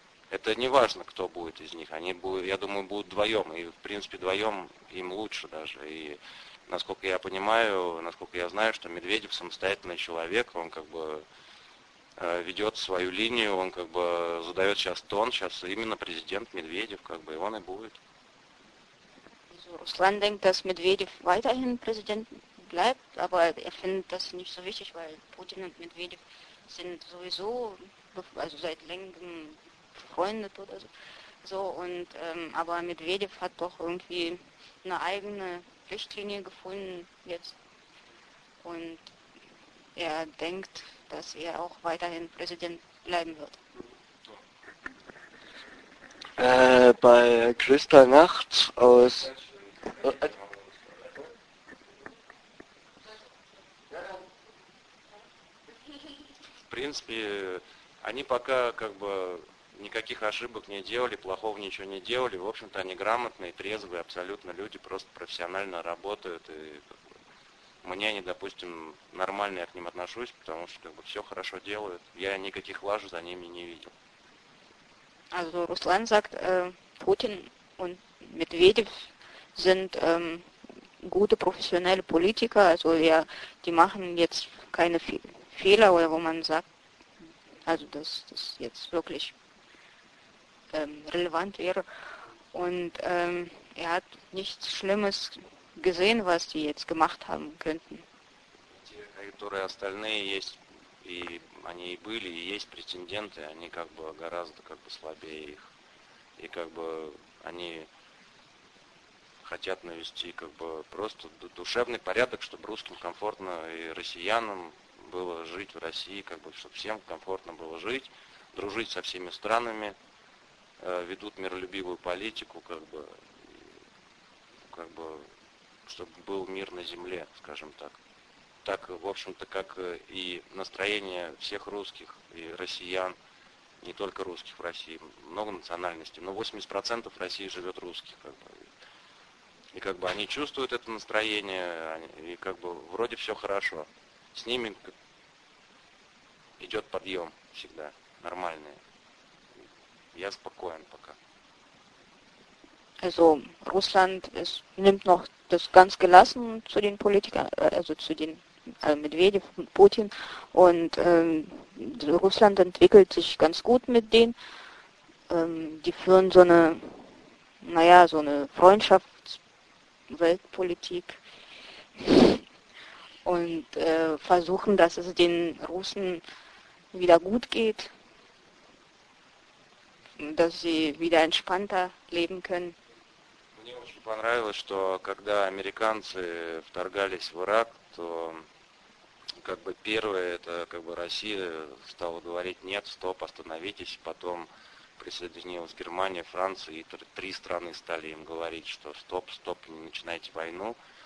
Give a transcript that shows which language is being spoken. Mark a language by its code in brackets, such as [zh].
[ru] это не важно, кто будет из них, они будут, я думаю, будут вдвоем, и, в принципе, вдвоем им лучше даже, и, насколько я понимаю, насколько я знаю, что Медведев самостоятельный человек, он как бы ведет свою линию, он как бы задает сейчас тон, сейчас именно президент Медведев, как бы, и он и будет. [de] Руслан denkt, dass Medvedev weiterhin Präsident bleibt, aber er findet das nicht so wichtig, weil Putin und Medvedev sind sowieso, also seit längerem befreundet oder so, und, aber Medvedev hat doch irgendwie eine eigene Richtlinie gefunden jetzt und er denkt, dass er auch weiterhin Präsident bleiben wird. Bei Kristallnacht aus [ru] В принципе, они пока как бы никаких ошибок не делали, плохого ничего не делали. В общем-то, они грамотные, трезвые, абсолютно люди, просто профессионально работают. И мне они, допустим, нормально я к ним отношусь, потому что как бы все хорошо делают. Я никаких лаж за ними не видел. [de] Also Руслан sagt, Путин und Медведев sind gute professionelle Politiker, also ja, die machen jetzt keine Fehler, oder wo man sagt, also dass das jetzt wirklich relevant wäre. Und er hat nichts Schlimmes gesehen, was die jetzt gemacht haben könnten. Die, [ru] которые остальные есть, и они и были, и есть претенденты, они как бы гораздо как бы слабее их. И как бы они хотят навести как бы просто душевный порядок, чтобы русским комфортно и россиянам было жить в России, как бы, чтобы всем комфортно было жить, дружить со всеми странами, ведут миролюбивую политику, как бы, чтобы был мир на земле, скажем так. Так, в общем-то, как и настроение всех русских и россиян, не только русских в России, много национальностей, но 80% в России живет русских, как бы. И как бы они чувствуют это настроение, и как бы вроде все хорошо. С ними идет подъем всегда, нормальный. Я спокоен пока. [de] Also, Russland es nimmt noch das ganz gelassen zu den Politikern, also zu den Medvedev und Putin. Und Russland entwickelt sich ganz gut mit denen. Die führen so eine, naja, so eine Freundschaft, Weltpolitik und versuchen, dass es den Russen wieder gut geht, dass sie wieder entspannter leben können. [ru] Мне очень понравилось, что когда американцы вторгались в Ирак, то как бы первое, это как бы Россия стала говорить: нет, стоп, остановитесь, потом присоединилась Германия, Франция, и три страны стали им говорить, что стоп, стоп, не начинайте войну.